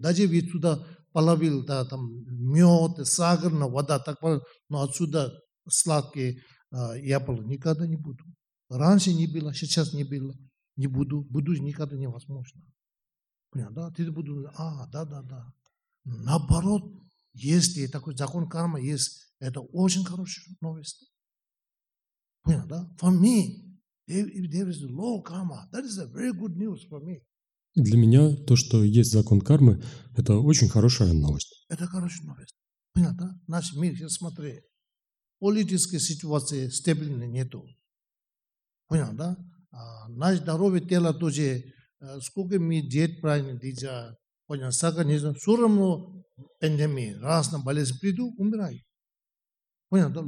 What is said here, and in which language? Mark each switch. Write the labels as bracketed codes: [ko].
[ru] Даже ведь туда половил, да, там, мед, сахар, вода, так, но отсюда сладкие яблоки никогда не будут. Раньше не было, сейчас не было, не буду. Буду никогда невозможно. Понятно, да? Ты будешь, да. Наоборот, если такой закон кармы есть, это очень хорошая новость. Понятно, да? [en] For me, if there is low karma, that is a very good news for me. [ru] Для меня то, что есть закон кармы, это очень хорошая новость. Это хорошая новость. Понятно, да? Наш мир, сейчас смотри, политической ситуации стабильной нету. Понятно, да? А наш здоровье тело тоже, сколько мы диет правильно дидя, понятно, сахар не знаю, все равно пандемии, разные болезни приду, умираю. Понятно, да?